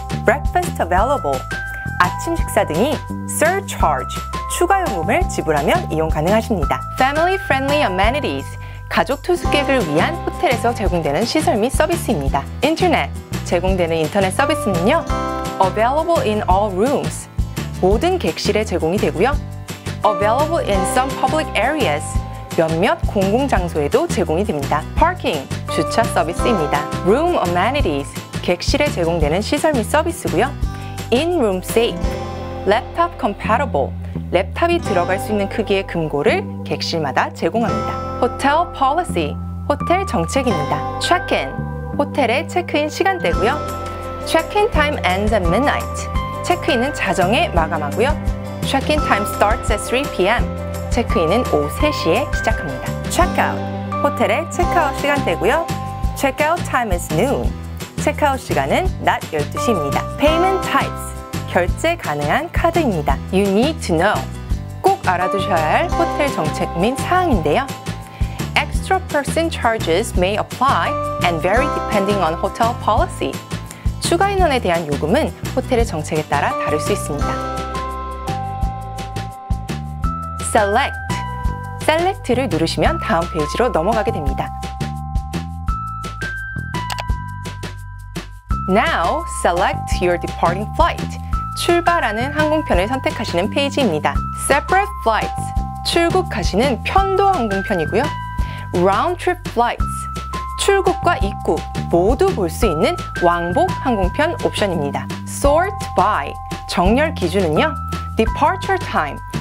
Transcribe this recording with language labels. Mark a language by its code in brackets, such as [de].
[en] Breakfast available, [ko] 아침 식사 등이. Surcharge, 추가 요금을 지불하면 이용 가능하십니다. [en] Family friendly amenities, [ko] 가족 투숙객을 위한 호텔에서 제공되는 시설 및 서비스입니다. Internet, 제공되는 인터넷 서비스는요. [en] Available in all rooms, [ko] 모든 객실에 제공이 되고요. [en] Available in some public areas, [ko] 몇몇 공공장소에도 제공이 됩니다. Parking, 주차 서비스입니다. [en] Room amenities, [ko] 객실에 제공되는 시설 및 서비스고요. [en] In-room safe, [ko] 랩탑 compatible, 랩탑이 들어갈 수 있는 크기의 금고를 객실마다 제공합니다. [en] Hotel policy, [ko] 호텔 정책입니다. Check-in, 호텔의 체크인 시간대고요. [en] Check-in time ends at midnight, [ko] 체크인은 자정에 마감하고요. [en] Check-in time starts at 3 p.m., [ko] 체크인은 오후 3시에 시작합니다. Check-out, 호텔의 체크아웃 시간대고요. [en] Check-out time is noon, [ko] 체크아웃 시간은 낮 12시입니다. [en] Payment types, [ko] 결제 가능한 카드입니다. [en] You need to know, [ko] 꼭 알아두셔야 할 호텔 정책 및 사항인데요. [en] Extra person charges may apply and vary depending on hotel policy. [ko] 추가 인원에 대한 요금은 호텔의 정책에 따라 다를 수 있습니다. Select, Select를 누르시면 다음 페이지로 넘어가게 됩니다. [en] Now, select your departing flight, [ko] 출발하는 항공편을 선택하시는 페이지입니다. [en] Separate flights, [ko] 출국하시는 편도 항공편이고요. [en] Round trip flights, [ko] 출국과 입국 모두 볼 수 있는 왕복 항공편 옵션입니다. [en] Sort by, [ko] 정렬 기준은요. [en] Departure time,